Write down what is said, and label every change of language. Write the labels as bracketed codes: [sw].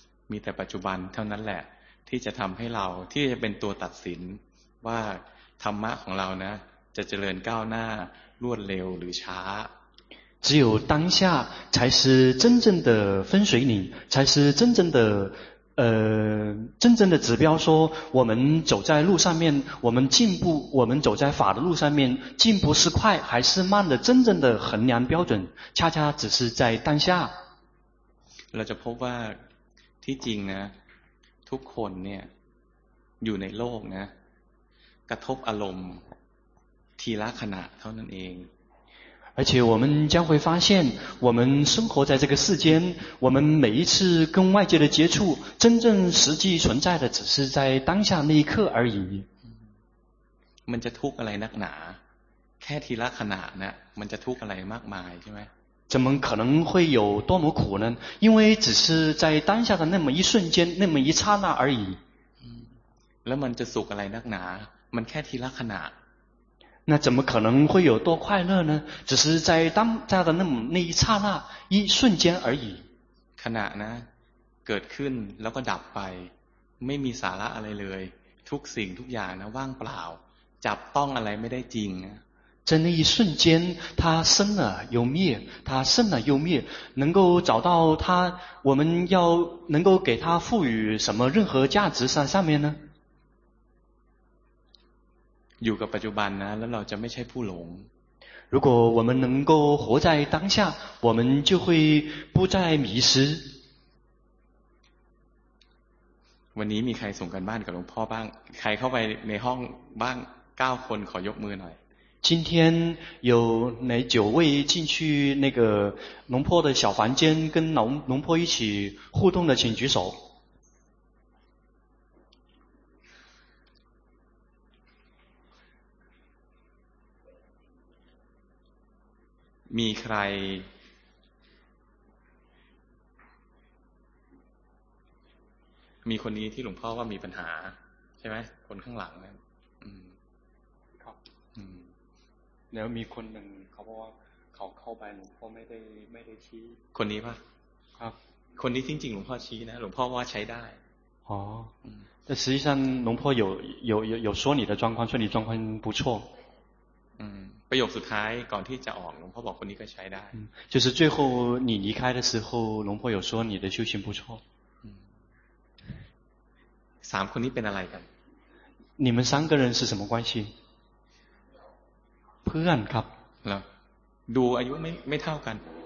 [th] มีแต่ปัจจุบันเท่านั้นแหละที่จะทำให้เราที่จะเป็นตัวตัดสินว่าธรรมะของเรานะจะเจริญก้าวหน้ารวดเร็วหรือช้า [zh] 只有当下才是真正的分水岭才是真正的真正的指标说我们走在路上面，我们进步，我们走在法的路上面，进步是快还是慢的真正的衡量标准恰恰只是在当下。 [th] เราจะพบว่าที่จริงนะทุกคนเนี่ยอยู่ในโลกนะกระทบอารมณ์ทีละขณะเท่านั้นเอง [zh] 而且我们将会发现我们生活在这个世间，我们每一次跟外界的接触真正实际存在的只是在当下那一刻而已。 [th] มันจะทุกข์อะไรนักหนาแค่ทีละขณะเนี่ยมันจะทุกข์อะไรมากมายใช่ไหม [zh] 怎么可能会有多么苦呢？因为只是在当下的那么一瞬间那么一刹那而已。 [th] แล้วมันจะสุขอะไรนักหนามันแค่ทีละขณะ [zh] 那怎么可能会有多快乐呢？只是在当下的 那一刹那一瞬间而已。 [th] ขณะนะเกิดขึ้นแล้วก็ดับไปไม่มีสาระอะไรเลยทุกสิ่งทุกอย่างนะว่างเปล่าจับต้องอะไรไม่ได้จริง [zh] 在那一瞬间它生了又灭，它生了又灭，能够找到它，我们要能够给它赋予什么任何价值在上面呢？ [th] อยู่กับปัจจุบันนะแล้วเราจะไม่ใช่ผู้หลง [zh] 如果我们能够活在当下我们就会不再迷失 [th] วันนี้มีใครส่งกันบ้านกับหลวงพ่อบ้างใครเข้าไปในห้องบ้าง9คนขอยกมือหน่อย [zh] 今天有哪九位进去那个龙坡的小房间跟龙坡一起互动的请举手 [th] มีใครมีคนนี้ที่หลวงพ่อว่ามีปัญหาใช่ไหมคนข้างหลังนะ ครับแล้วมีคนหนึ่งเขาบอกว่าเขาเข้าไปหลวงพ่อไม่ได้ชี้คนนี้ป่ะ ครับ คนนี้จริงๆหลวงพ่อชี้นะหลวงพ่อว่าใช้ได้ อ๋ อแต่ [zh] 实际上龙坡有说你的状况说你状况不错 [th] ประโยคสุดท้ายก่อนที่จะออกหลวงพ่อบอกคนนี้ก็ใช้ได้ [zh] 就是最后你离开的时候龙婆有说你的修行不错 [th] สามคนนี้เป็นอะไรกัน [zh] 你们三个人是什么关系 [th] เพื่อนครับ แล้วดูอายุไม่เท่ากัน